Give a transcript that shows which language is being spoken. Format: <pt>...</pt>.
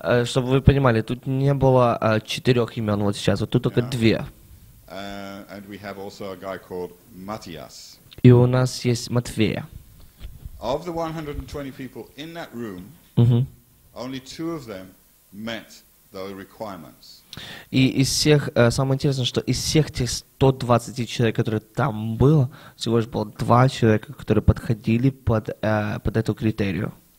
<ru>Чтобы вы понимали, тут не было четырех имен вот сейчас. Вот тут только две.</ru> <en>And we have also a guy called Matthias.</en> <ru>И у нас есть Матвея.</ru> <en>Of the 120 people in that room, only two of them met the requirements.</en> <ru>И из всех, самое интересное, что из всех тех 120 человек, которые там было, всего лишь было два человека, которые подходили под эту критерию.</ru>